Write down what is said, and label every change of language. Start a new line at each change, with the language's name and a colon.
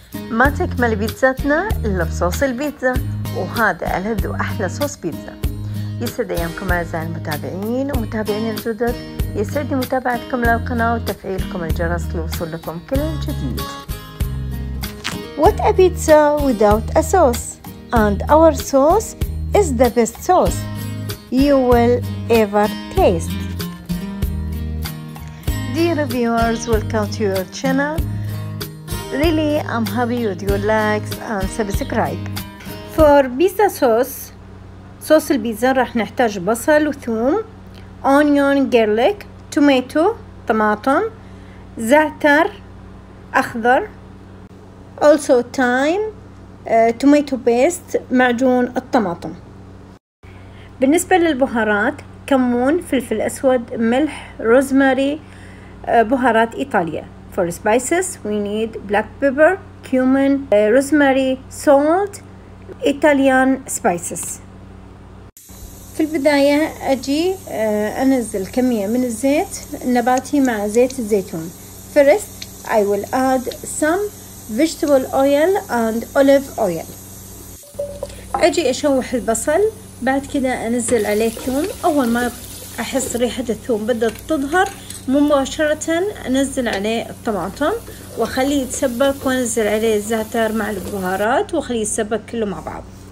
Arabic: ما تكمل بيتزاتنا إلا بصوص البيتزا، وهذا ألد وأحلى صوص بيتزا. يسعد أيامكم أعزائي المتابعين ومتابعين الجدد، يسعد متابعتكم للقناة وتفعيلكم الجرس لوصول لكم كل جديد.
English: What a pizza without a sauce, and our sauce is the best sauce you will ever taste. Dear viewers, welcome to your channel. Really, I'm happy with your likes and subscribe. For pizza sauce,
Arabic: صوص البيتزا راح نحتاج بصل وثوم,
English: onion, garlic, tomato,
Arabic: طماطم, زعتر أخضر,
English: also thyme, tomato paste,
Arabic: معجون الطماطم. بالنسبة للبهارات, كمون, فلفل أسود, ملح, روزماري, بهارات إيطاليا.
English: For spices, we need black pepper, cumin, rosemary, salt, Italian spices.
Arabic: في البداية أجي أنزل كمية من الزيت النباتي مع زيت الزيتون.
English: First, I will add some vegetable oil and olive oil.
Arabic: أجي أشوح البصل, بعد كده أنزل عليه ثوم. أول ما أحس ريحة الثوم بدأت تظهر, مباشرة أنزل عليه الطماطم وأخليه يتسبك, وأنزل عليه الزعتر مع البهارات وأخليه يتسبك كله مع بعض.